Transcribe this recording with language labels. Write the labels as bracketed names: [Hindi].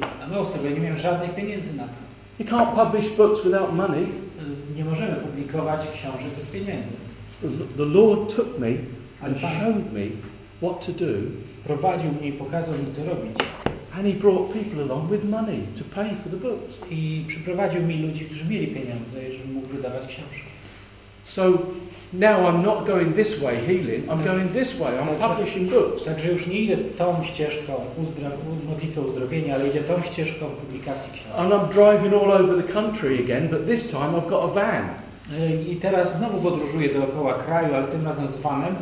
[Polish] A my osoby, ja nie miałem żadnych pieniędzy na to. [English] You can't publish books without money. [Polish] Nie możemy publikować książek bez pieniędzy. [English] The Lord took me and showed me what to do. [Polish] Prowadził mnie i pokazał mi, co robić. [English] And he brought people along with money to pay for the books. [Polish] I przyprowadził mi ludzi, którzy mieli pieniądze, żebym mógł wydawać książki. [English] So now I'm not going this way healing, I'm going this way, I'm publishing books. [Polish] Także już nie idę tą ścieżką modlitwy uzdrowienia, ale idę tą ścieżką publikacji książek. [English] And I'm driving all over the country again, but this time I've got a van. [Polish] I teraz znowu podróżuję dookoła kraju, ale tym razem z vanem.